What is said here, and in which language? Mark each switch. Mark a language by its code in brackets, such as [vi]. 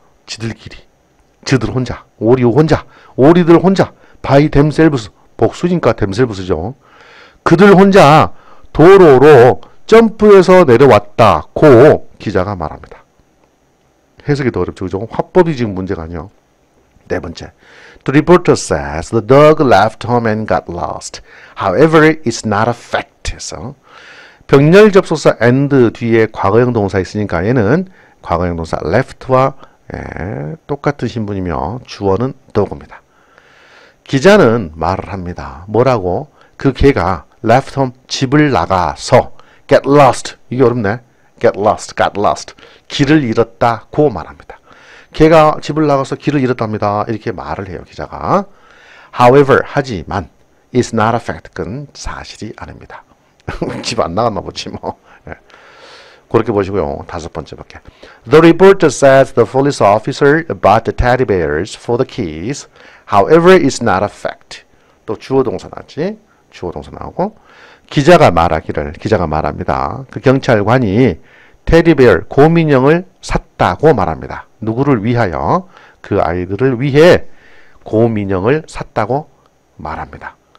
[ko] 지들끼리. 지들 혼자. 오리 혼자. 오리들 혼자. by themselves. 복수니까 themselves죠. 그들 혼자 도로로 점프해서 내려왔다고 기자가 말합니다. 해석이 더 어렵죠. 그죠? 화법이 지금 문제가 아니요. 네 번째. [en] The reporter says the dog left home and got lost. However, it's not a fact. [ko] 병렬 접속사 and 뒤에 과거형 동사 있으니까 얘는 과거형 동사 left와 똑같은 신분이며 주어는 dog입니다. 기자는 말을 합니다. 뭐라고? 그 개가 [en] left home [ko] 집을 나가서 get lost. 이게 어렵네. [en] get lost, got lost. [ko] 길을 잃었다고 말합니다. 걔가 집을 나가서 길을 잃었답니다. 이렇게 말을 해요, 기자가. However, 하지만, [en] is not a fact. [ko] 그건 사실이 아닙니다. 집안 나갔나 보지, 뭐. 그렇게 보시고요. 다섯 번째밖에. [en] The reporter says the police officer bought the teddy bears for the kids. However, it's not a fact. [ko] 또 주어 동사 나왔지? 주어 동사 나오고. 기자가 말하기를, 기자가 말합니다. 그 경찰관이 테디베어, 곰인형을 샀다고 말합니다. 누구를 위하여? 그 아이들을 위해 곰인형을 샀다고 말합니다.